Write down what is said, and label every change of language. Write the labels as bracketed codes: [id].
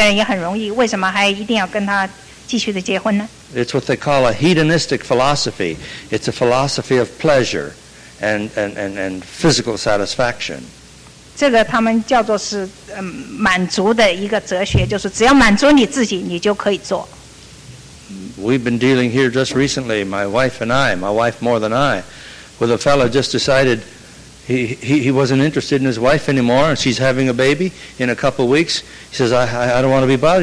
[zh] 那特别是今天，什么事情都很容易。若是你不喜欢那个人，我找另外一个人也很容易。为什么还一定要跟他继续的结婚呢？ [en] It's what they call a hedonistic philosophy. It's a philosophy of pleasure and physical satisfaction. [zh] 这个他们叫做是满足的一个哲学，就是只要满足你自己，你就可以做。 [en] We've been dealing here just recently, my wife more than I, with a fellow just decided he wasn't interested in his wife anymore, and she's having a baby in a couple of weeks. He says, I don't want to be bothered.